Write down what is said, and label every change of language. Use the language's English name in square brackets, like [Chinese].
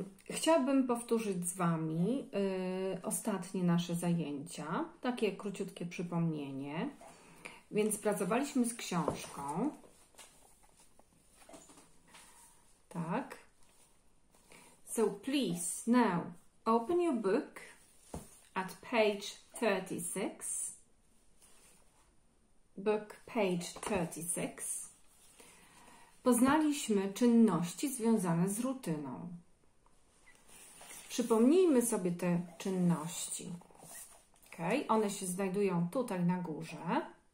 [Polish] Chciałabym powtórzyć z Wami ostatnie nasze zajęcia, takie króciutkie przypomnienie. Więc pracowaliśmy z książką. Tak. [English] So please now open your book at page 36. Book page 36. [Polish] Poznaliśmy czynności związane z rutyną. Przypomnijmy sobie te czynności. Okay? One się znajdują tutaj na górze.